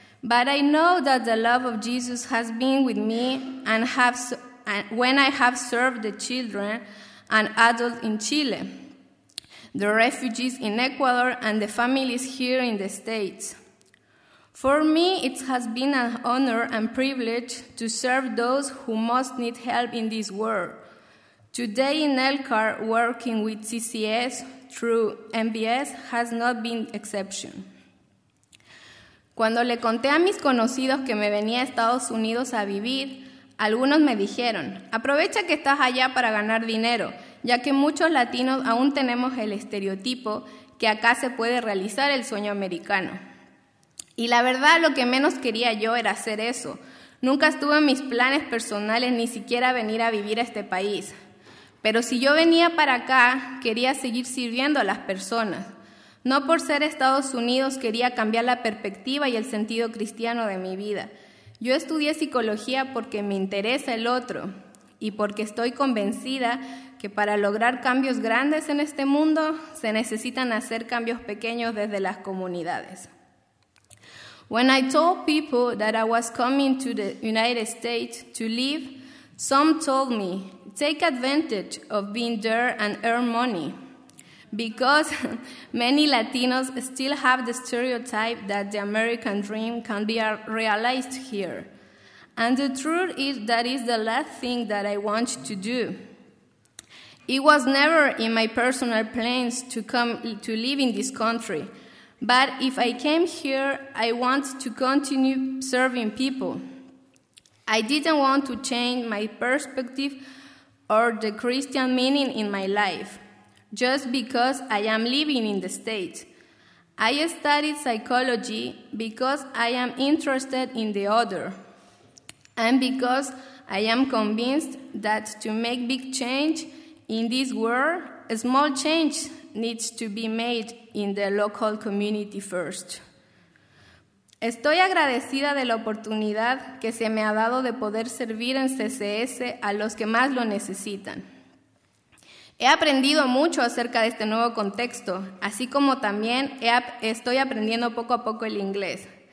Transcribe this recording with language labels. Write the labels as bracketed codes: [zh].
[en] But I know that the love of Jesus has been with me when I have served the children and adults in Chile, the refugees in Ecuador, and the families here in the States. For me, it has been an honor and privilege to serve those who most need help in this world. Today in Elkar, working with CCS through MBS has not been exception. [es] Cuando le conté a mis conocidos que me venía a Estados Unidos a vivir, algunos me dijeron, aprovecha que estás allá para ganar dinero, ya que muchos latinos aún tenemos el estereotipo que acá se puede realizar el sueño americano. Y la verdad, lo que menos quería yo era hacer eso. Nunca estuve en mis planes personales ni siquiera venir a vivir a este país. Pero si yo venía para acá, quería seguir sirviendo a las personas. No por ser Estados Unidos quería cambiar la perspectiva y el sentido cristiano de mi vida. Yo estudié psicología porque me interesa el otro y porque estoy convencida que para lograr cambios grandes en este mundo se necesitan hacer cambios pequeños desde las comunidades. [en] When I told people that I was coming to the United States to live, some told me, take advantage of being there and earn money. Because many Latinos still have the stereotype that the American dream can be realized here. And the truth is that is the last thing that I want to do. It was never in my personal plans to come to live in this country. But if I came here, I want to continue serving people. I didn't want to change my perspective or the Christian meaning in my life, just because I am living in the States. I studied psychology because I am interested in the other, and because I am convinced that to make big change in this world, a small change needs to be made in the local community first. [es] Estoy agradecida de la oportunidad que se me ha dado de poder servir en CCS a los que más lo necesitan. He aprendido mucho acerca de este nuevo contexto, así como también estoy aprendiendo poco a poco el inglés.